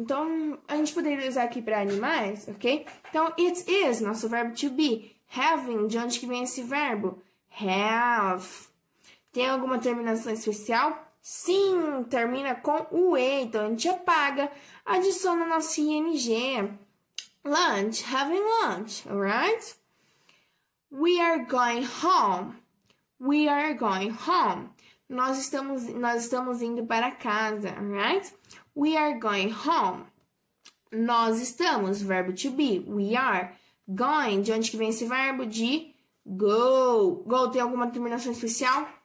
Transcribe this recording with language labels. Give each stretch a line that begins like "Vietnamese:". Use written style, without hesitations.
Portuguese: Então, a gente poderia usar aqui para animais, ok? Então, it is, nosso verbo to be. Having, de onde que vem esse verbo? Have. Tem alguma terminação especial? Sim, termina com o E, então a gente apaga, adiciona o nosso ING.
English: Lunch, having lunch, alright? We are going home. We are going home.
Portuguese: Nós estamos indo para casa, alright?
English: We are going home.
Portuguese: Nós estamos, verbo to be, we are going. De onde que vem esse verbo? De go. Go tem alguma terminação especial?